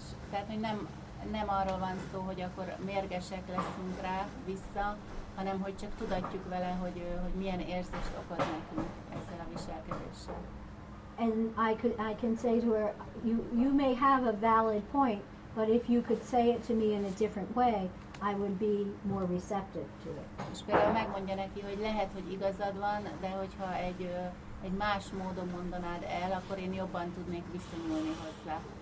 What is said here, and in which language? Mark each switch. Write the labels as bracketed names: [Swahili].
[Hungarian] Tehát, hogy nem arról van szó, hogy akkor mérgesek leszünk rá vissza, hanem hogy csak tudatjuk vele, hogy milyen érzést okoz nekünk ezzel a viselkedéssel. [English] And I can say to her, you may have a valid point, but if you could say it to me in a different way, I would be more receptive to it. [Hungarian] És például megmondja neki, hogy lehet, hogy igazad van, de hogyha egy más módon mondanád el, akkor én jobban tudnék viszonyulni hozzá.